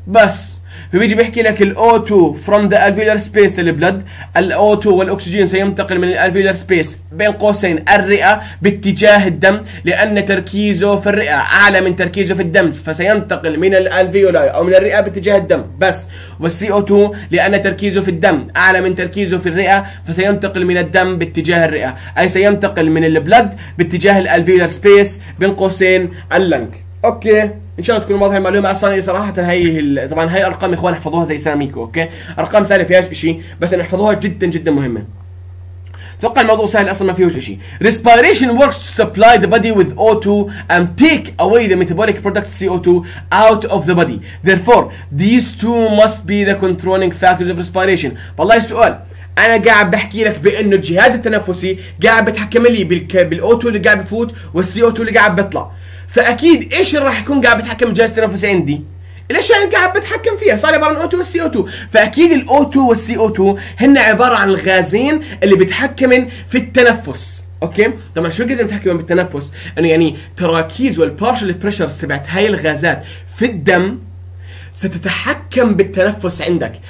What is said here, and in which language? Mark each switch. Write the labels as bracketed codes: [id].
[ar] بس فبيجي بيحكي لك الـ [en] O2 from the alveolar space [ar] للبلد، الـ O2 والأكسجين سينتقل من الـ alveolar space بين قوسين الرئة باتجاه الدم لأن تركيزه في الرئة أعلى من تركيزه في الدم، فسينتقل من الـ alveoli أو من الرئة باتجاه الدم بس، والـ CO2 لأن تركيزه في الدم أعلى من تركيزه في الرئة فسينتقل من الدم باتجاه الرئة، أي سينتقل من البلد باتجاه الـ alveolar space بين قوسين اللنج. أوكي ان شاء الله تكون واضحه المعلومه. اصلا صراحه هي طبعا هي ارقام يا اخوان احفظوها زي ساميكو، اوكي ارقام سهله فيها شيء بس ان احفظوها جدا جدا مهمه. اتوقع الموضوع سهل اصلا ما فيه شيء. [en] Respiration works to supply the body with O2 and take away the metabolic product CO2 out of the body. Therefore these two must be the controlling factors of respiration. [ar] والله السؤال انا قاعد بحكي لك بانه الجهاز التنفسي قاعد بتحكم لي بالO2 اللي قاعد بفوت والسي او 2 اللي قاعد بيطلع، فاكيد ايش اللي راح يكون قاعد بتحكم جهاز التنفس عندي؟ ليش انا قاعد بتحكم فيها؟ صار عباره عن O2 والسي او 2، فاكيد الO2 والسي او 2 هن عباره عن الغازين اللي بتحكمن في التنفس، اوكي؟ طبعا شو قصدي بتحكمن بالتنفس؟ انه يعني تراكيز والبارشل بريشر تبعت هاي الغازات في الدم ستتحكم بالتنفس عندك.